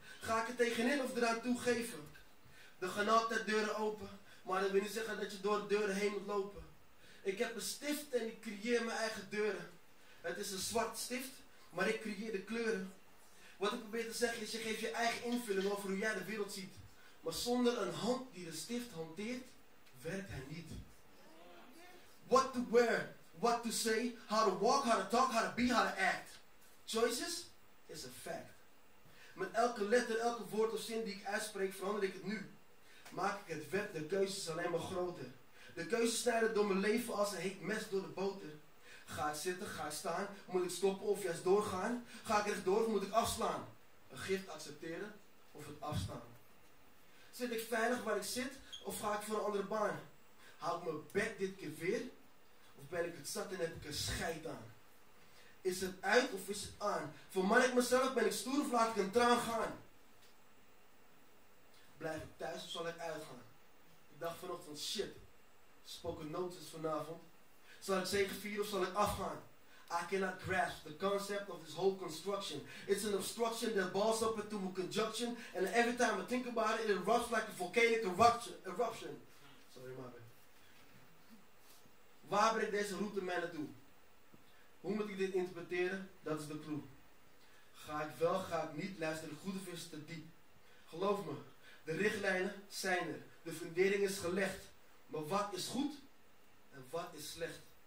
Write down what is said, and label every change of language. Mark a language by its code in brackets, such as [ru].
[nl] Ga ik er tegenin of eraan toegeven? De genade de deuren open, maar dat wil niet zeggen dat je door de deuren heen moet lopen. Ik heb een stift en ik creëer mijn eigen deuren. Het is een zwart stift, maar ik creëer de kleuren. Wat ik probeer te zeggen is, je geeft je eigen invulling over hoe jij de wereld ziet. Maar zonder een hand die de stift hanteert, werkt hij niet. [en] What to wear, what to say, how to walk, how to talk, how to be, how to act. Choices is a fact. [nl] Met elke letter, elke woord of zin die ik uitspreek, verander ik het nu. Maak ik het web, de keuzes alleen maar groter. De keuzes snijden door mijn leven als een heet mes door de boter. Ga ik zitten, ga ik staan, moet ik stoppen of juist doorgaan? Ga ik rechtdoor of moet ik afslaan? Een gift accepteren of het afstaan? Zit ik veilig waar ik zit of ga ik voor een andere baan? Hou ik mijn bed dit keer weer? Of ben ik het zat en heb ik een scheid aan? Is het uit of is het aan? Verman ik mezelf, ben ik stoer of laat ik een traan gaan? Blijf ik thuis of zal ik uitgaan? Ik dacht vanochtend, shit, spoken notes vanavond. Zal ik zegen vieren of zal ik afgaan? [en] I cannot grasp the concept of this whole construction. It's an obstruction that balls up into a conjunction. And every time I think about it, it erupts like a volcanic eruption. Sorry, my bad. [nl] Waar breng ik deze route mij naartoe? Hoe moet ik dit interpreteren? Dat is de clue. Ga ik wel, ga ik niet, luister goed of is het te diep? Geloof me, de richtlijnen zijn er. De fundering is gelegd. Maar wat is goed en wat is slecht?